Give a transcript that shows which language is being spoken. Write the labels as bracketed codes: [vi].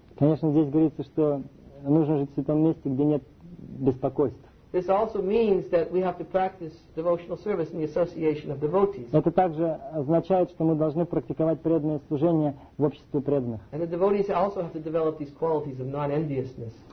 [ru] Конечно, здесь говорится, что нужно жить в святом месте, где нет беспокойства. [en] This also means that we have to practice devotional service in the association of devotees. [ru] Это также означает, что мы должны практиковать преданное служение в обществе преданных. [en] And the devotees also have to develop these qualities of non-enviousness.